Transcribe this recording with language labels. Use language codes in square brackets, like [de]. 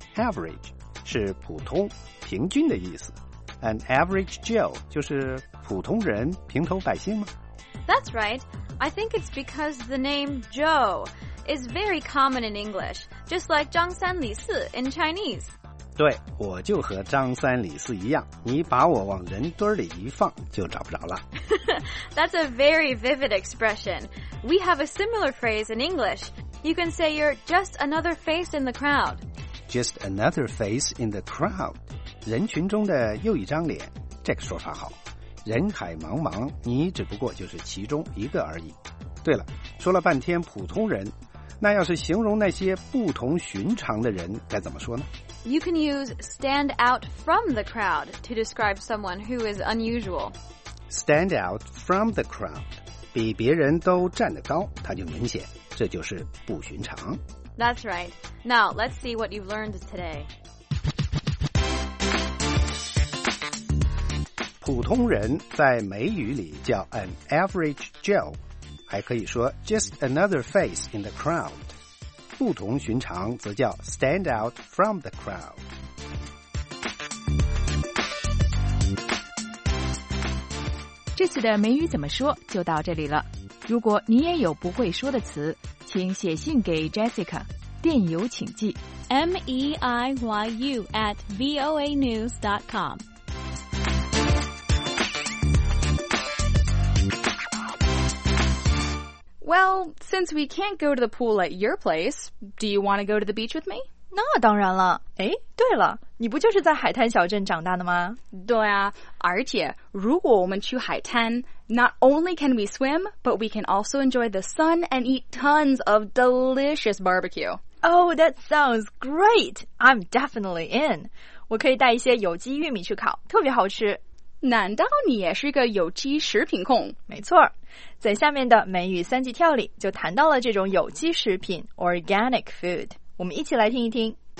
[zh] Average 是普通、平均的意思。An average Joe 就是普通人、平头百姓吗？ [en] That's right. I think it's because the name Joe is very common in English, just like [zh] 张三李四 [en] in Chinese. [zh] 对，我就和张三李四一样，你把我往人堆里一放就找不着了。 [en] That's a very vivid expression. We have a similar phrase in English. You can say you're just another face in the crowd. Just another face in the crowd. [zh] 人群中的又一张脸，这个说法好。人海茫茫，你只不过就是其中一个而已。对了，说了半天普通人，那要是形容那些不同寻常的人该怎么说呢？ [en] You can use stand out from the crowd to describe someone who is unusual. Stand out from the crowd. [zh] 比别人都站得高，他就明显，这就是不寻常。 [en] That's right. Now, let's see what you've learned today. [zh] 普通人在美语里叫 an average Joe， 还可以说 just another face in the crowd， 不同寻常则叫 stand out from the crowd。这次的美语怎么说就到这里了。如果你也有不会说的词，请写信给 Jessica， 电邮请寄 [en] meiyu@voanews.com。 Well, since we can't go to the pool at your place, do you want to go to the beach with me? [zh] 那当然了。哎，对了，你不就是在海滩小镇长大的吗？对啊，而且如果我们去海滩， [en] not only can we swim, but we can also enjoy the sun and eat tons of delicious barbecue. Oh, that sounds great. I'm definitely in. [zh] 我可以带一些有机玉米去烤，特别好吃。难道你也是个有机食品控？没错，在下面的美语三级跳里就谈到了这种有机食品 organic food。我们一起来听一听。